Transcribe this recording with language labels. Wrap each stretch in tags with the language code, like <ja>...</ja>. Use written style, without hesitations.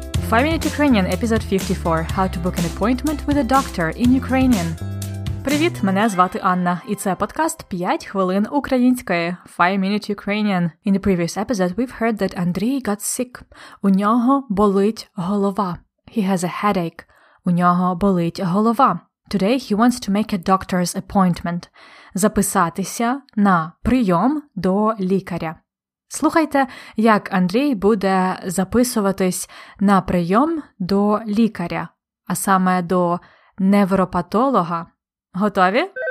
<en>5 Minute Ukrainian, епізод 54. How to book an appointment with a doctor in Ukrainian.</en> <uk>Привіт, мене звати Анна, і це подкаст 5 хвилин української.</uk> <en>5 Minute Ukrainian. In the previous episode, we've heard that Андрій got sick.</en> <uk>У нього болить голова.</uk> <en>He has a headache.</en> <uk>У нього болить голова.</uk> <en>Today he wants to make a doctor's appointment.</en> <uk>Записатися на прийом до лікаря. Слухайте, як Андрій буде записуватись на прийом до лікаря, а саме до невропатолога. Готові?</uk>